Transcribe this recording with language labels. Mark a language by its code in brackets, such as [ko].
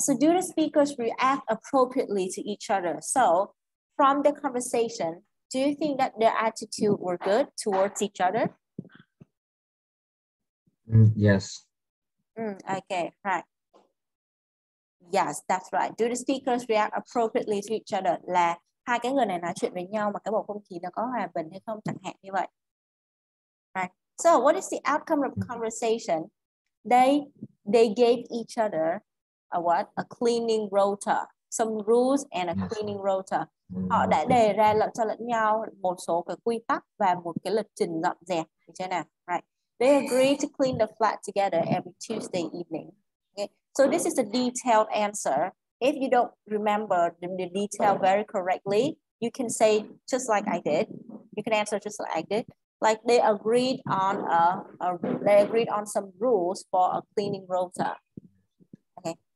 [en] So do the speakers react appropriately to each other? So from the conversation, do you think that their attitude were good towards each other? Yes. Okay. Right. Yes, that's right. Do the speakers react appropriately to each other? [vi] Là hai cái người này nói chuyện với nhau mà cái bầu không khí nó có hòa bình hay không, chẳng hạn như vậy. [en] Right. So what is the outcome of conversation? They gave each other a what? A cleaning rota. Some rules and a cleaning rota. [vi] Họ đã đề ra lẫn cho lẫn nhau một số cái quy tắc và một cái lịch trình dọn dẹp như thế nào. [en] Right. They agree to clean the flat together every Tuesday evening. Okay? So this is a detailed answer. If you don't remember the detail very correctly, you can say just like I did. You can answer just like I did. Like they agreed on some rules for a cleaning rotor. Okay.